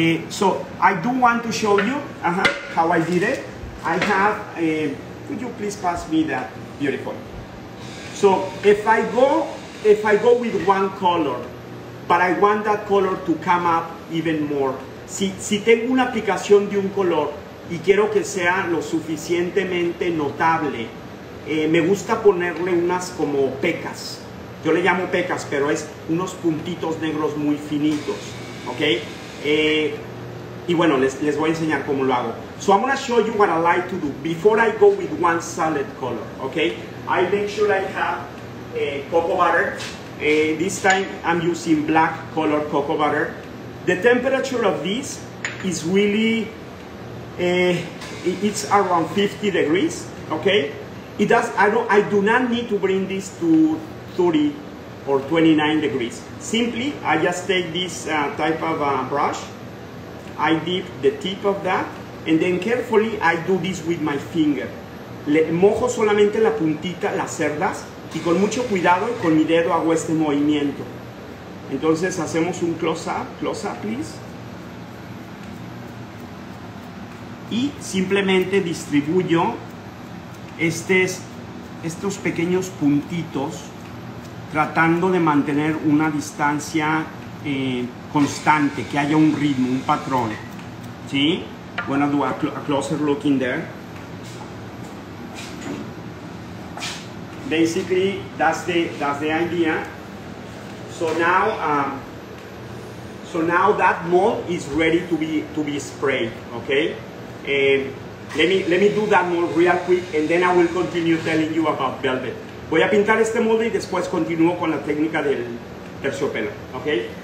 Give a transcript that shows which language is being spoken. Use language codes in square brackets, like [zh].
[en] So I do want to show you how I did it. I have, could you please pass me that? Beautiful. So if I go with one color, but I want that color to come up even more. [es] Si tengo una aplicación de un color y quiero que sea lo suficientemente notable, me gusta ponerle unas como pecas. Yo le llamo pecas, pero es unos puntitos negros muy finitos, okay? Y bueno, les voy a enseñar cómo lo hago. [en] So I'm gonna show you what I like to do before I go with one solid color, okay? I make sure I have cocoa butter. This time I'm using black color cocoa butter. The temperature of this is really, it's around 50 degrees, okay? I do not need to bring this to 30, or 29 degrees. Simply, I just take this type of brush, I dip the tip of that, and then carefully I do this with my finger. [es] Le mojo solamente la puntita, las cerdas, y con mucho cuidado con mi dedo hago este movimiento. Entonces hacemos un close up please. Y simplemente distribuyo estos pequeños puntitos, tratando de mantener una distancia constante, que haya un ritmo, un patrón. [en] ¿Sí? Gonna do a closer look in there. Basically, that's the idea. So now that mold is ready to be sprayed, okay? Let me do that mold real quick, and then I will continue telling you about velvet. [es] Voy a pintar este molde y después continúo con la técnica del terciopelo, okay?